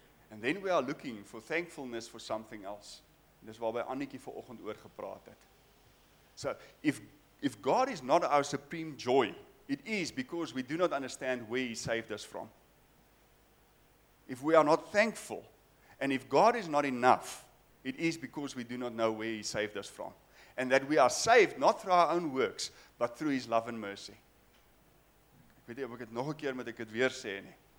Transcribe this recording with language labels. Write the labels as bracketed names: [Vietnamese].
[English] And then we are looking for thankfulness for something else. [Afrikaans] Dis waarby Annetjie vanoggend oor gepraat het. [English] So, if God is not our supreme joy, it is because we do not understand where he saved us from. If we are not thankful, and if God is not enough, it is because we do not know where he saved us from. And that we are saved not through our own works, but through his love and mercy. [Afrikaans] Ek weet nie of ek dit nog 'n keer moet ek dit weer sê nie.